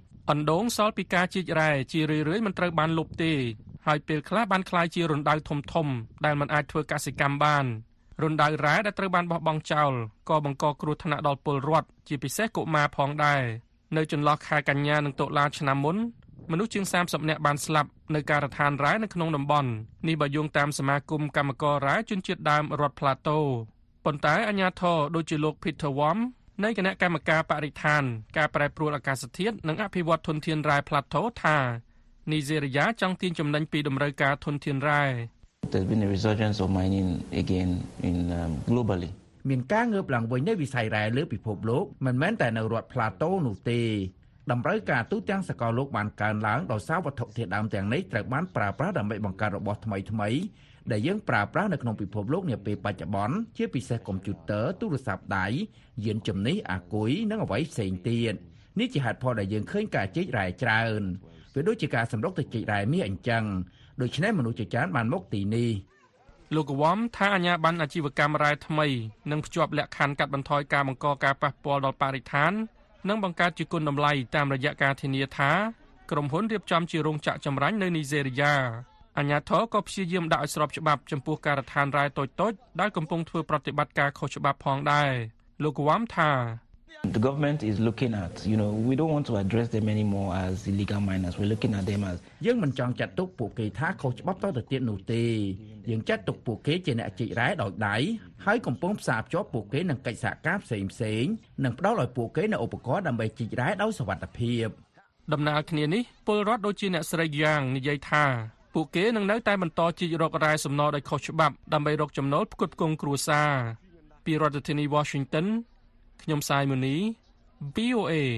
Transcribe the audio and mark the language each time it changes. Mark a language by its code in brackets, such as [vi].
[km] អណ្ដូងសល់ពីការជីករ៉ែជារឿយៗមិនត្រូវបានលុបទេហើយពេលខ្លះបានក្លាយជារណ្ដៅធំៗដែលមិនអាចធ្វើកសិកម្មបានរណ្ដៅរ៉ែដែលត្រូវបានបោះបង់ចោលក៏បង្កគ្រោះថ្នាក់ដល់ពលរដ្ឋជាពិសេសកុមារផងដែរនៅចន្លោះខែកញ្ញានិងតុលាឆ្នាំមុនមនុស្សជាង30នាក់បានស្លាប់នៅការដ្ឋានរ៉ែនៅក្នុងតំបន់នេះបើយោងតាមសមាគមកម្មកររ៉ែជនជាតិដើមរដ្ឋ Plato ប៉ុន្តែអញ្ញាធិបតីដូចជាលោក Peter Wamនៃគណៈកម្មការបរិស្ថានការប្រែប្រួលអាកាសធាតុនិងអភិវឌ្ឍធនធានរ៉ែ Plateau ថានីសេរីយ៉ាចង់ទាញចំណេញពីតម្រូវការធនធានរ៉ែ [en] There's been a resurgence of mining again in globally [km] មានការងើបឡើងវិញនៃវិស័យរ៉ែលើពិភពលោកមិនមែនតែនៅរដ្ឋ Plateau នោះទេតម្រូវការទូទាំងសកលលោកបានកើនឡើងដោយសារវត្ថុធាតុដើមទាំងនេះត្រូវបានប្រើប្រាស់ដើម្បីបង្កើតរបស់ថ្មីថ្មីដែលយើងប្រើប្រាស់នៅក្នុងពិភពលោកនាពេលបច្ចុប្បន្នជាពិសេសកុំព្យូទ័រទូរស័ព្ទដៃយានជំនិះអាគុយនិងអ្វីផ្សេងទៀតនេះជាហេតុផលដែលយើងឃើញការជីករ៉ែច្រើនវាដូចជាការសម្រុកទៅជីករ៉ែមាសអញ្ចឹងដូច្នេះមនុស្សជាច្រើនបានមកទីនេះ លោកវ៉មថាអាជ្ញាប័ណ្ណអាជីវកម្មរ៉ែថ្មីនឹងភ្ជាប់លក្ខខណ្ឌកាត់បន្ថយការបង្កការប៉ះពាល់ដល់បរិស្ថាននិងបង្កើតជាគុណតម្លៃតាមរយៈការធានាថាក្រុមហ៊ុនរៀបចំជារោងចក្រចម្រាញ់នៅនីសេរីយ៉ាអញ្ញាធិការក៏ព្យាយាមដាក់ឲ្យស្របច្បាប់ចំពោះការរឋានរ៉ែតូចៗដែលកំពុងធ្វើប្រតិបត្តិការខុសច្បាប់ផងដែរលោកវ៉មថា [en] The government is looking at you know we don't want to address them anymore as illegal miners we're looking at them as [km] យើងមិនចង់ចាត់ទុកពួកគេថាខុសច្បាប់តទៅទៀតនោះទេយើងចាត់ទុកពួកគេជាអ្នកជីករ៉ែដោយដៃហើយកំពុងផ្សារភ្ជាប់ពួកគេនឹងកិច្ចសហការផ្សេងៗនិងផ្ដល់ឲ្យពួកគេនូវឧបករណ៍ដើម្បីជីករ៉ែដោយសុវត្ថិភាព ដំណើរគ្នានេះពលរដ្ឋដូចជាអ្នកស្រីយ៉ាងនិយាយថាពួកគេនឹងនៅតែបន្តជីករករ៉ែសំណរដោយខុសច្បាប់ដើម្បីរកចំណូលផ្គត់ផ្គង់គ្រួសារពីរដ្ឋធានី Washington ខ្ញុំសាយមូនី VOA